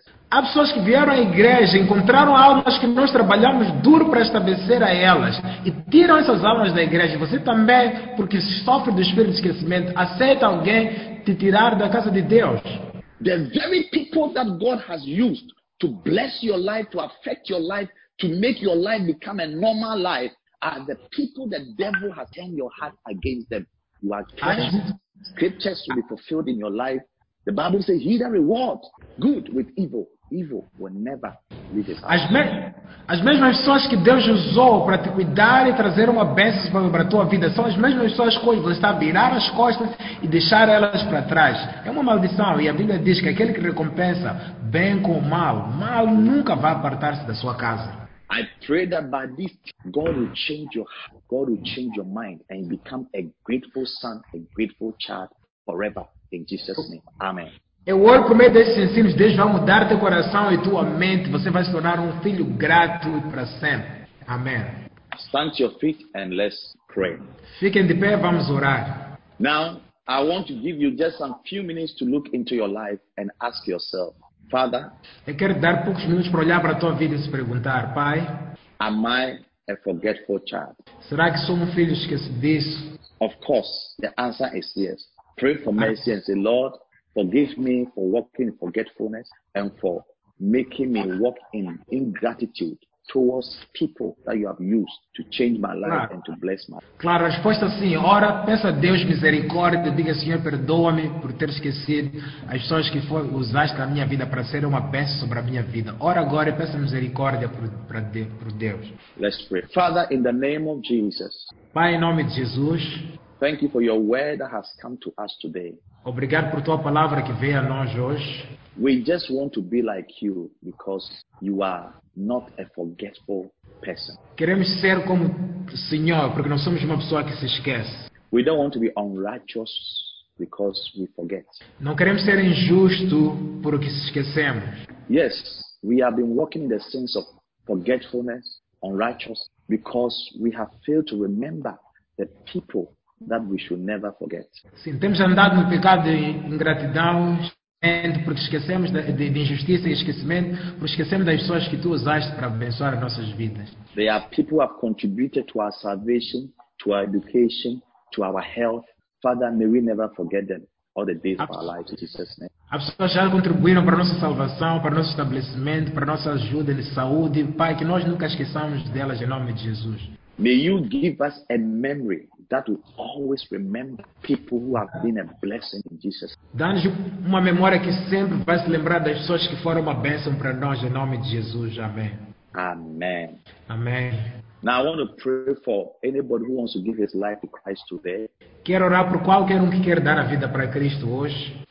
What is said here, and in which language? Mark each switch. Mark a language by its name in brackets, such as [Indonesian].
[Portuguese] Há pessoas que vieram à igreja, encontraram almas que nós trabalhamos duro para estabelecer a elas. E tiram essas almas da igreja. Você também, porque sofre do espírito de esquecimento, aceita alguém te tirar da casa de Deus. [English] The very people that God has used to bless your life, to affect your life, to make your life become a normal life, are the people the devil has turned your heart against them. You are cursed. Scriptures will be fulfilled in your life. The Bible says, he that rewards good with evil, evil will never leave his heart. [Portuguese] As mesmas pessoas que Deus usou para te cuidar e trazer uma bênção para a tua vida são as mesmas pessoas que você está a virar as costas e deixar elas para trás. É uma maldição e a Bíblia diz que aquele que recompensa bem com o mal, mal nunca vai apartar-se da sua casa. [English] I pray that by this, God will change your heart, God will change your mind, and become a grateful son, a grateful child forever, in Jesus' name. Amen. [Portuguese] Eu oro por meio desses ensinos, Deus vai mudar teu coração e tua mente, você vai se tornar filho grato para sempre. [English] Amen. Stand to your feet and let's pray. [Portuguese] Fiquem de pé, vamos orar. [English] Now, I want to give you just some few minutes to look into your life and ask yourself, Father, [Portuguese] eu quero dar poucos minutos para olhar para a tua vida e se perguntar, Pai, [English] am I a forgetful child? [Portuguese] Será que sou filho esquecido? [English] Of course, the answer is yes. Pray for mercy and say, Lord, forgive me for walking in forgetfulness and for making me walk in ingratitude towards people that you have used to change my life and to bless my life. [Portuguese] Claro, a resposta sim. Ora, peça a Deus misericórdia. Diga, Senhor, perdoa-me por ter esquecido as pessoas que foi, usaste na minha vida para ser uma bênção sobre a minha vida. Ora agora e peça misericórdia para Deus. [English] Let's pray. Father, in the name of Jesus. [Portuguese] Pai, em nome de Jesus. [English] Thank you for your word that has come to us today. [Portuguese] Obrigado por tua palavra que veio a nós hoje. [English] We just want to be like you because you are not a forgetful person. [Portuguese] Queremos ser como o Senhor porque não somos uma pessoa que se esquece. [English] We don't want to be unrighteous because we forget. [Portuguese] Não queremos ser injusto porque se esquecemos. [English] Yes, we have been walking in the sense of forgetfulness, unrighteousness, because we have failed to remember the people that we should never forget. [Portuguese] Sim, temos andado no pecado de ingratidão, porque esquecemos de injustiça e esquecimento, porque esquecemos das pessoas que tu usaste para abençoar as nossas vidas. [English] There are people who have contributed to our salvation, to our education, to our health. Father, may we never forget them all the days of our life, in Jesus' name. [Portuguese] As pessoas já contribuíram para a nossa salvação, para o nosso estabelecimento, para a nossa ajuda de saúde. Pai, que nós nunca esqueçamos delas em nome de Jesus. [English] May you give us a memory that will always remember people who have been a blessing in Jesus. [Portuguese] Dá-nos uma memória que sempre vai se lembrar das pessoas que foram uma bênção para nós, em nome de Jesus. Amém. [English] Amen. [Portuguese] Amém. [English] Now I want to pray for anybody who wants to give his life to Christ today. [Portuguese] Quero orar por qualquer que quer dar a vida para Cristo hoje.